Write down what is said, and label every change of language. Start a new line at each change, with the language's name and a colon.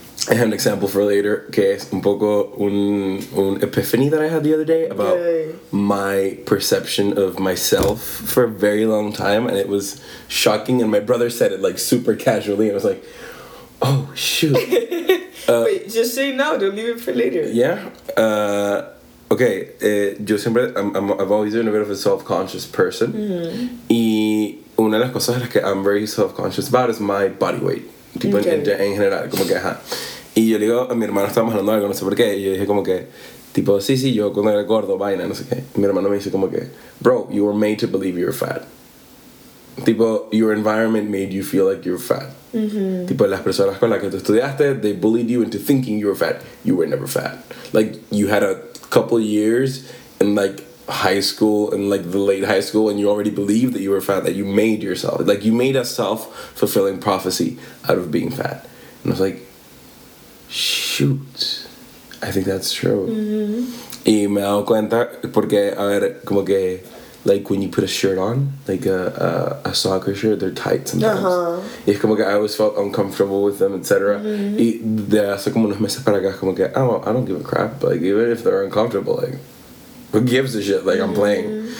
English: I have an example for later, que es un poco un epiphany that I had the other day about my perception of myself for a very long time, and it was shocking, and my brother said it, like, super casually, and I was like, oh, shoot. Wait, just say now, don't leave it for later. Yeah. Okay, yo siempre, I've always been a bit of a self-conscious person, mm-hmm. y una de las cosas que I'm very self-conscious about is my body weight.
Spanish: Tipo, en general, como que, ajá. Y yo le digo, a mi hermano estábamos hablando de algo, no sé por qué, y yo dije como que, tipo, sí, yo cuando era gordo, vaina, no sé qué.
English: Y mi hermano me dice como que, bro, you were made to believe you're fat. Tipo, your environment made you feel like you're fat. Mm-hmm. Tipo, las personas con las que tú estudiaste, they bullied you into thinking you were fat. You were never fat. Like, you had a couple years in, like, high school, and like the late high school, and you already believed that you were fat, that you made yourself, like you made a self-fulfilling prophecy out of being fat. And I was like, shoot, I think that's true. Mm-hmm.
Spanish: Y me he dado cuenta porque, a ver, como que
English: like when you put a shirt on, like a soccer shirt, they're tight sometimes. Uh-huh. Y como que I always felt uncomfortable with them, etc.
Spanish: Mm-hmm. Y hace como unos meses para acá, como que I don't give a crap.
English: Like, even if they're uncomfortable, like, who gives a shit? Like, mm-hmm. I'm playing.